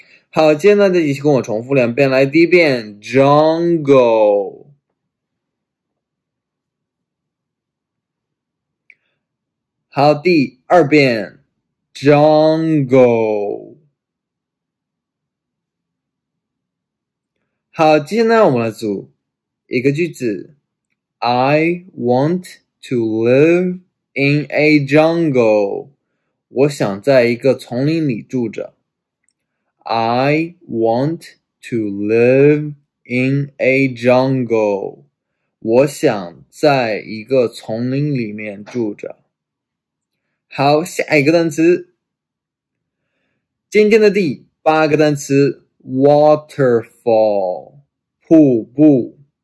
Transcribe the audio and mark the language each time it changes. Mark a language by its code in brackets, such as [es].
[zh] 好，接下来的一起跟我重复两遍，来第一遍，Jungle。好，第二遍，Jungle。好，接下来我们来组一个句子， [en] I want to live in a jungle。 [zh] 我想在一个丛林里住着。 [en] I want to live in a jungle。 [zh] 我想在一个丛林里面住着。好，下一个单词。今天的第八个单词，waterfall，瀑布。